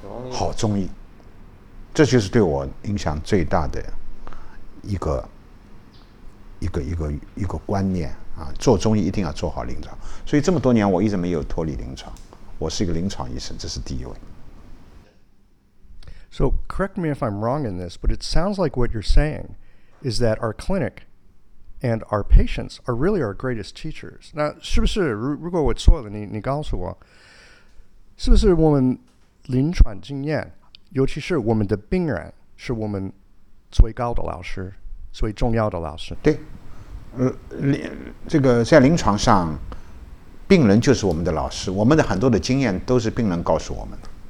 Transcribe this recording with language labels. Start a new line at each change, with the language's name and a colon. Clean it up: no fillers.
Chinese: 好中医，这就是对我影响最大的一个观念啊！做中医一定要做好临床，所以这么多年我一直没有脱离临床，我是一个临床医生，这是第一位。
English: So correct me if I'm wrong in this, but it sounds like what you're saying is that our clinic and our patients are really our greatest teachers.
Chinese: 那是不是如果我错了，你告诉我，是不是我们？临床经验，尤其是我们的病人，是我们最高的老师，最重要的老师。对，这个在临床上，病人就是我们的老师，我们的很多的经验都是病人告诉我们的。